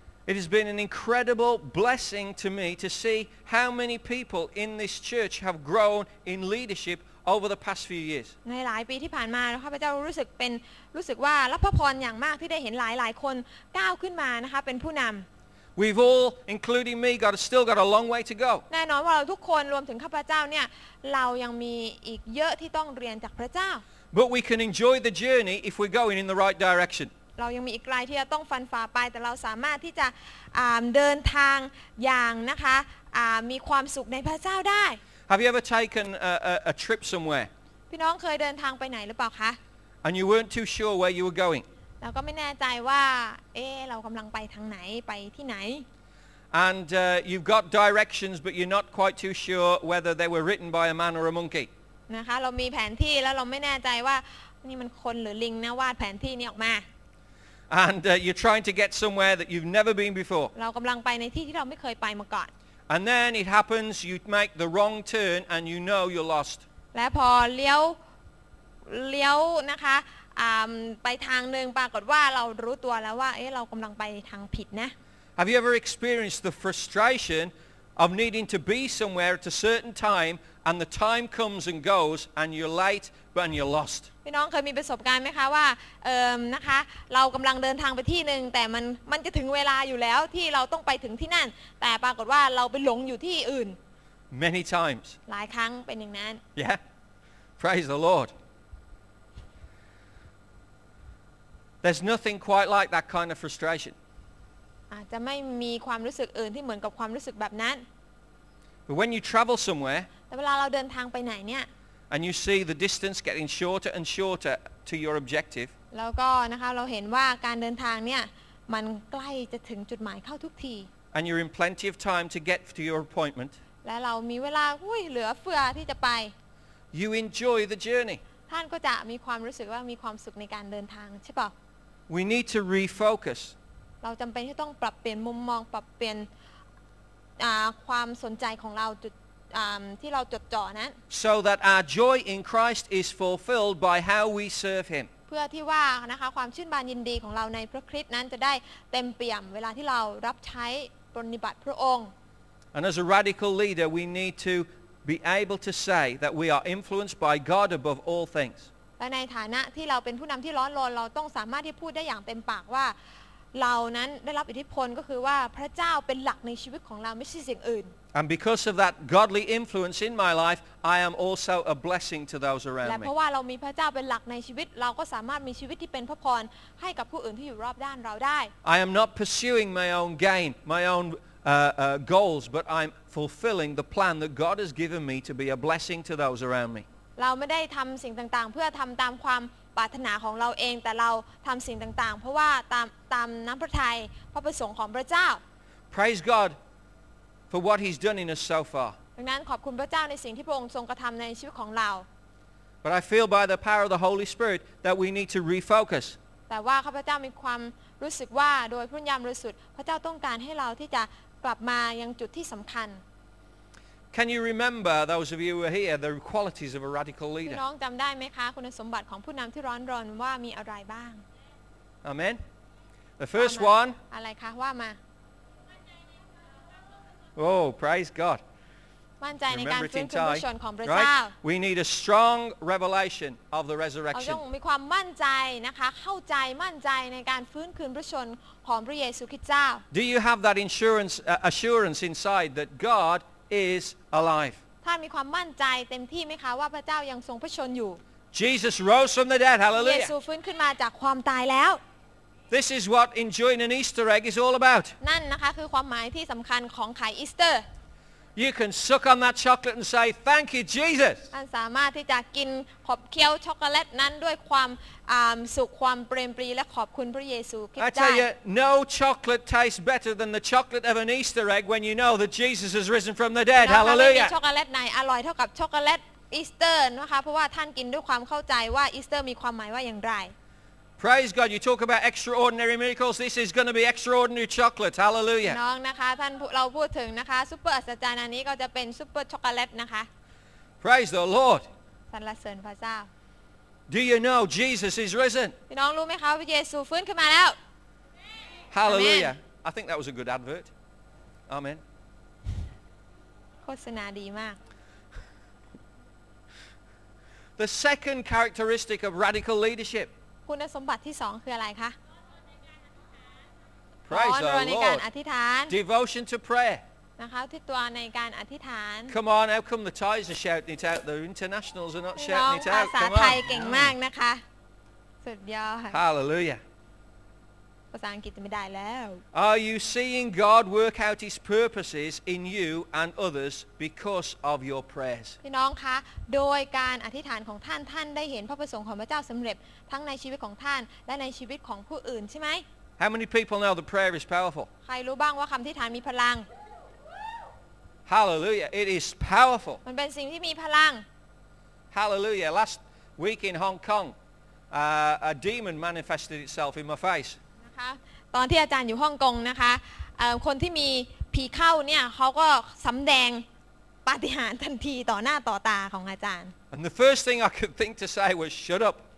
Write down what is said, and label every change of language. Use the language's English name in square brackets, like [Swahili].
[English] It has been an incredible blessing to me to see how many people in this church have grown in leadership over the past few years. [Thai] ในหลายปีที่ผ่านมาข้าพเจ้ารู้สึกว่ารับพระพรอย่างมากที่ได้เห็นหลายคนก้าวขึ้นมานะคะเป็นผู้นำ [English] We've all including me still got a long way to go. [Thai] แน่นอนว่าเราทุกคนรวมถึงข้าพเจ้าเนี่ยเรายังมีอีกเยอะที่ต้องเรียนจากพระเจ้า [English] But we can enjoy the journey if we're going in the right direction. [Thai] เรายังมีอีกไกลที่จะต้องฟันฝ่าไปแต่เราสามารถที่จะเดินทางอย่างนะคะมีความสุขในพระเจ้าได้ [English] Have you ever taken a trip somewhere [Thai] พี่น้องเคยเดินทางไปไหนหรือเปล่าคะ [English] And you weren't too sure where you were going [Thai] เราก็ไม่แน่ใจว่าเรากำลังไปทางไหนไปที่ไหน [English] And you've got directions but you're not quite too sure whether they were written by a man or a monkey [Thai] นะคะเรามีแผนที่แล้วเราไม่แน่ใจว่านี่มันคนหรือลิงนะวาดแผนที่นี้ออกมา [English] And you're trying to get somewhere that you've never been before. [Thai] เรากำลังไปในที่ที่เราไม่เคยไปมาก่อน [English] And then it happens, you make the wrong turn and you know you're lost. [Thai] และพอเลี้ยวนะคะไปทางนึงปรากฏว่าเรารู้ตัวแล้วว่าเอ๊ะเรากำลังไปทางผิดนะ [English] Have you ever experienced the frustration of needing to be somewhere at a certain time and the time comes and goes and you're late but you're lost? [Thai] พี่น้องเคยมีประสบการณ์ไหมคะว่านะคะเรากำลังเดินทางไปที่นึงแต่มันจะถึงเวลาอยู่แล้วที่เราต้องไปถึงที่นั่นแต่ปรากฏว่าเราไปหลงอยู่ที่อื่น [English] Many times [Thai] หลายครั้งเป็นอย่างนั้น [English] Yeah Praise the LordThere's nothing quite like that kind of frustration. [Thai] จะไม่มีความรู้สึกอื่นที่เหมือนกับความรู้สึกแบบนั้น [English] But when you travel somewhere, [Thai] แต่เวลาเราเดินทางไปไหนเนี่ย [English] and you see the distance getting shorter and shorter to your objective, [Thai] แล้วก็นะคะเราเห็นว่าการเดินทางเนี่ยมันใกล้จะถึงจุดหมายเข้าทุกที [English] and you're in plenty of time to get to your appointment, [Thai] และเรามีเวลาเหลือเฟือที่จะไป [English] you enjoy the journey, [Thai] ท่านก็จะมีความรู้สึกว่ามีความสุขในการเดินทางใช่ป่ะ [English] We need to refocus. [Thai] เราจำเป็นที่ต้องปรับเปลี่ยนมุมมองปรับเปลี่ยนความสนใจของเราจุดที่เราจดจ่อนั้น [English] So that our joy in Christ is fulfilled by how we serve Him. [Thai] เพื่อที่ว่านะคะความชื่นบานยินดีของเราในพระคริสต์นั้นจะได้เต็มเปี่ยมเวลาที่เรารับใช้ปฏิบัติพระองค์ [English] And as a radical leader, we need to be able to say that we are influenced by God above all things. [Thai] และในฐานะที่เราเป็นผู้นำที่ร้อนรนเราต้องสามารถที่พูดได้อย่างเต็มปากว่าเรานั้นได้รับอิทธิพลก็คือว่าพระเจ้าเป็นหลักในชีวิตของเราไม่ใช่สิ่งอื่น [English] And because of that godly influence in my life I am also a blessing to those around me [Thai] และเพราะว่าเรามีพระเจ้าเป็นหลักในชีวิตเราก็สามารถมีชีวิตที่เป็นพระพรให้กับผู้อื่นที่อยู่รอบด้านเราได้ [English] I am not pursuing my own gain my own goals but I'm fulfilling the plan that God has given me to be a blessing to those around me [Thai] เราไม่ได้ทำสิ่งต่างๆเพื่อทำตามความปรารถนาของเราเองแต่เราทำสิ่งต่างๆเพราะว่าตามน้ำพระทัยพระประสงค์ของพระเจ้า [English] Praise God for what He's done in us so far [Thai] ดังนั้นขอบคุณพระเจ้าในสิ่งที่พระองค์ทรงกระทำในชีวิตของเรา [English] But I feel by the power of the Holy Spirit that we need to refocus [Thai] แต่ว่าข้าพเจ้ามีความรู้สึกว่าโดยพระวิญญาณบริสุทธิ์พระเจ้าต้องการให้เราที่จะกลับมายังจุดที่สำคัญ [English] Can you remember those of you who are here the qualities of a radical leader? [Thai] น้องจำได้ไหมคะคุณสมบัติของผู้นำที่ร้อนรนว่ามีอะไรบ้าง [English] Amen. The first one. [Thai] อะไรคะว่ามา [English] Oh, praise God. [Thai] มั่นใจในการฟื้นฟูชนของพระเจ้า [English] Right. We need a strong revelation of the resurrection. [Thai] เราต้องมีความมั่นใจนะคะเข้าใจมั่นใจในการฟื้นคืนพระชนของพระเยซูคริสต์เจ้า [English] Do you have that insurance assurance inside that God? Is alive. [Thai] ท่านมีความมั่นใจเต็มที่ไหมคะว่าพระเจ้ายังทรงพระชนอยู่ [English] Jesus rose from the dead. Hallelujah. [Thai] เยซูฟื้นขึ้นมาจากความตายแล้ว [English] This is what enjoying an Easter egg is all about. [Thai] นั่นนะคะคือความหมายที่สำคัญของไข่อีสเตอร์ [English] You can suck on that chocolate and say thank you, Jesus. [Thai] ท่านสามารถที่จะกินขบเคี้ยวช็อกโกแลตนั้นด้วยความสุขความเปรมปรีและขอบคุณพระเยซูคริสต์ได้ [English] I tell you, no chocolate tastes better than the chocolate of an Easter egg when you know that Jesus has risen from the dead. Hallelujah. [Thai] ช็อกโกแลตไหนอร่อยเท่ากับช็อกโกแลตอีสเตอร์นะคะเพราะว่าท่านกินด้วยความเข้าใจว่าอีสเตอร์มีความหมายว่าอย่างไร [English] Praise God, you talk about extraordinary miracles. This is going to be extraordinary chocolate. Hallelujah. [Thai] น้องนะคะท่านเราพูดถึงนะคะซุปเปอร์อัศจรรย์อันนี้ก็จะเป็นซุปเปอร์ช็อกโกแลตนะคะ [English] Praise the Lord. [Thai] สรรเสริญพระเจ้า [English] Do you know Jesus is risen? [Thai] พี่น้องรู้ไหมคะว่าเยซูฟื้นขึ้นมาแล้ว [English] Hallelujah. I think that was a good advert. Amen. [Thai] โฆษณาดีมาก [English] The second characteristic of radical leadership. [Thai] คุณสมบัติที่สองคืออะไรคะ [English] Praise the Lord. [Thai] ในการอธิษฐาน [English] Devotion to prayer. [Thai] นะคะที่ตัวในการอธิษฐาน [English] Come on, how come the Thais are shouting it out? The internationals are not shouting it out. Come on. [Thai] ภาษาไทยเก่งมากนะคะสุดยอด [English] Hallelujah. [Thai] ภาษาอังกฤษไม่ได้แล้ว [English] Are you seeing God work out His purposes in you and others because of your prayers? [Thai] พี่น้องคะโดยการอธิษฐานของท่านท่านได้เห็นพระประสงค์ของพระเจ้าสำเร็จทั้งในชีวิตของท่านและในชีวิตของผู้อื่นใช่ไหม [English] How many people know the prayer is powerful? [Thai] ใครรู้บ้างว่าคำอธิษฐานมีพลัง [English] Hallelujah! It is powerful. [Thai] มันเป็นสิ่งที่มีพลัง [English] Hallelujah! Last week in Hong Kong, a demon manifested itself in my face. [Thai] นะคะตอนที่อาจารย์อยู่ฮ่องกงนะคะคนที่มีผ ผีเข้าเนี่ยเขาก็สำแดงปาฏิหาริย์ทันทีต่อหน้าต่อตาของอาจารย์ [English] And the first thing I could think to say was shut up